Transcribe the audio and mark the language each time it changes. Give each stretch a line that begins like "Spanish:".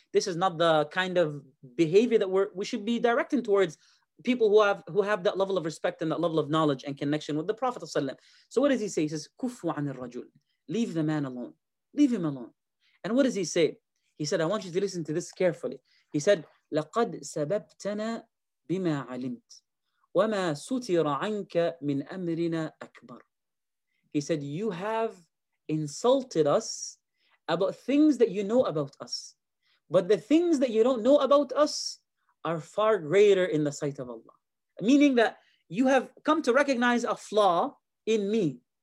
English: This is not the kind of behavior that we should be directing towards people who have that level of respect and that level of knowledge and connection with the Prophet ﷺ. So what does he say? He says,
Arabic: "Kufu an al-rajul."
English: Leave the man alone. Leave him alone. And what does he say? He said, I want you to listen to this carefully. He said,
Arabic: لَقَدْ سَبَبْتَنَا بِمَا عَلِمْتْ وَمَا سُتِرَ عَنْكَ مِنْ أَمْرِنَا أَكْبَرُ.
English: He said, you have insulted us about things that you know about us. But the things that you don't know about us are far greater in the sight of Allah. Meaning that you have come to recognize a flaw in me.